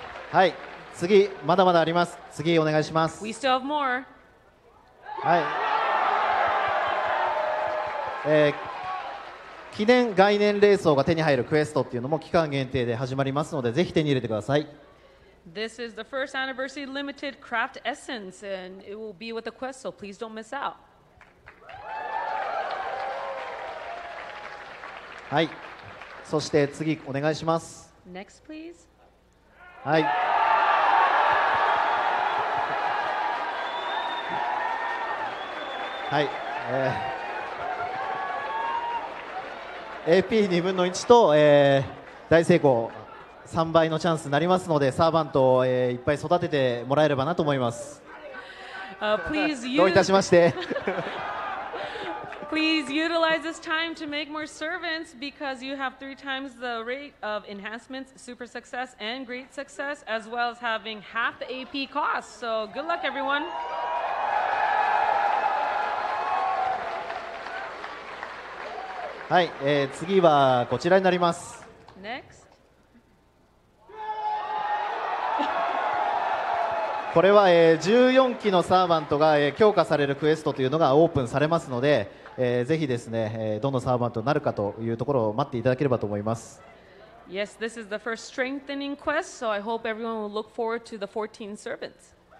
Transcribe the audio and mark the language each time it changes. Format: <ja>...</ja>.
<ja>はい、次、まだまだあります。次、お願いします。</ja> <en>We still have more.</en> <ja>はい、記念概念霊装が手に入るクエストっていうのも期間限定で始まりますのでぜひ手に入れてください。</ja> <en>This is the first anniversary limited craft essence and it will be with a quest, so please don't miss out.</en> <ja>はい、そして次お願いします。</ja> <en>Next please.</en> <ja>はい、はい、AP 2分の1と、大成功3倍のチャンスになりますのでサーバントを、いっぱい育ててもらえればなと思います。どういたしまして。</ja> <en>Please utilize this time to make more servants because you have 3 times the rate of enhancements, super success and great success as well as having half the AP cost. So good luck everyone.</en> <ja>はい、次はこちらになります。</ja> <en>Next.</en> <ja>これは、14期のサーバントが、強化されるクエストというのがオープンされますので、ぜひですね、どのサーバントになるかというところを待っていただければと思います。</ja> <en>Yes, this is the first strengthening quest, so I hope everyone will look forward to the 14 servants.</en>